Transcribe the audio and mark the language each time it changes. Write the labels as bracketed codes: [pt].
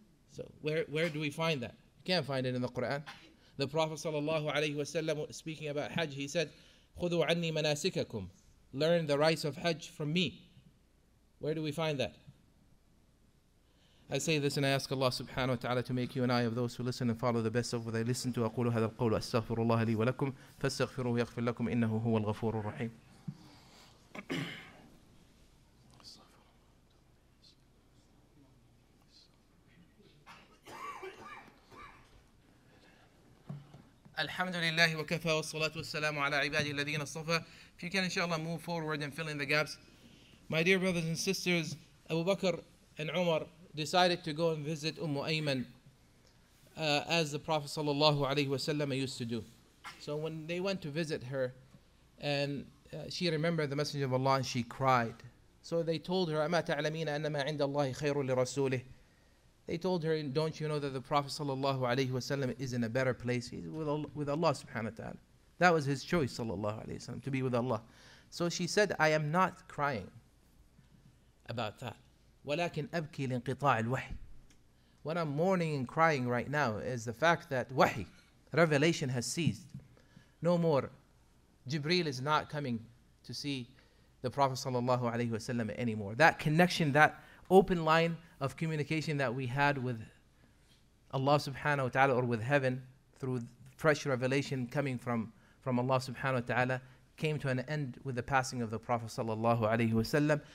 [en] So, where do we find that? You can't find it in the Quran. The Prophet sallallahu alaihi wasallam, speaking about Hajj, he said, [ar] "Khudu anni manasikakum." [en] Learn the rites of Hajj from me. Where do we find that? I say this and I ask Allah subhanahu wa ta'ala to make you and I of those who listen and follow the best of what I listen to. [ar] أقول هذا القول أستغفر الله لي ولكم فاستغفروه يغفر لكم إنه هو الغفور الرحيم. الحمد لله وكفى والصلاة والسلام على عباد الذين اصطفى. [en] If you can inshallah move forward and fill in the gaps. My dear brothers and sisters, Abu Bakr and Umar decided to go and visit Umm Ayman as the Prophet sallallahu alayhi wasallam used to do. So when they went to visit her, and she remembered the Messenger of Allah, and she cried. So they told her, [ar] أَمَا تَعْلَمِينَ أَنَّمَا عِنْدَ اللَّهِ خَيْرٌ لِرَسُولِهِ. [en] They told her, don't you know that the Prophet sallallahu alayhi wasallam is in a better place? He's with Allah subhanahu wa ta'ala. That was his choice, sallallahu alayhi wasallam, to be with Allah. So she said, I am not crying about that. [ar] ولكن أبكي لانقطاع الوحي. [en] What I'm mourning and crying right now is the fact that wahi, revelation, has ceased. No more. Jibreel is not coming to see the Prophet sallallahu alayhi wasallam anymore. That connection, that open line of communication that we had with Allah subhanahu wa ta'ala, or with heaven through fresh revelation coming from Allah subhanahu wa ta'ala, came to an end with the passing of the Prophet sallallahu alayhi wasallam.